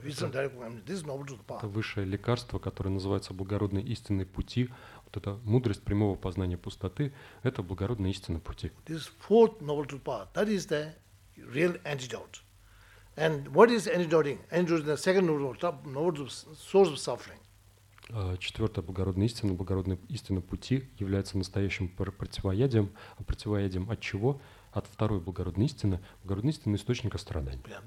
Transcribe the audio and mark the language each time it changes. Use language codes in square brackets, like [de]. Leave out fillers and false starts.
[ru] Это высшее лекарство, которое называется благородной истинной пути. Вот эта мудрость прямого познания пустоты – это благородная истинная пути. [en] This fourth noble truth path, that is the real antidote. And what is antidoting? Antidote is the second noble truth, source of suffering. [ru] Четвертая благородная истина пути является настоящим противоядием. А противоядием от чего? От второй благородной истины источника страданий.